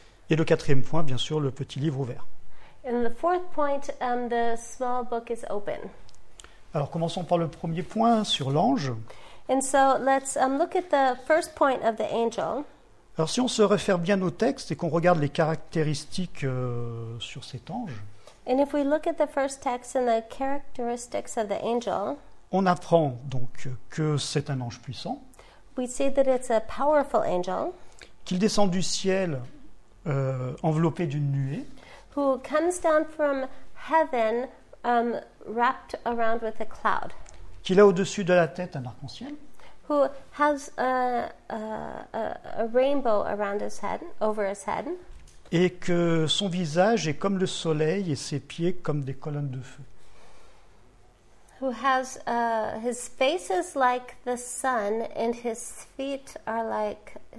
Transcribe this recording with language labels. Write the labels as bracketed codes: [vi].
[fr] Et le quatrième point, bien sûr, le petit livre ouvert. [en] And the fourth point, the small book is open. [fr] Alors, commençons par le premier point sur l'ange. [en] And so, let's look at the first point of the angel. [fr] Alors, si on se réfère bien au texte et qu'on regarde les caractéristiques sur cet ange. [en] And if we look at the first text and the characteristics of the angel. [fr] On apprend donc que c'est un ange puissant. [en] We see that it's a powerful angel. [fr] Qu'il descend du ciel enveloppé d'une nuée. [en] Who comes down from heaven wrapped around with a cloud. [fr] Qu'il a au-dessus de la tête un arc-en-ciel. [en] Who has a rainbow around his head, over his head. [fr] Et que son visage est comme le soleil et ses pieds comme des colonnes de feu. [en] Who has his face is like the sun and his feet are like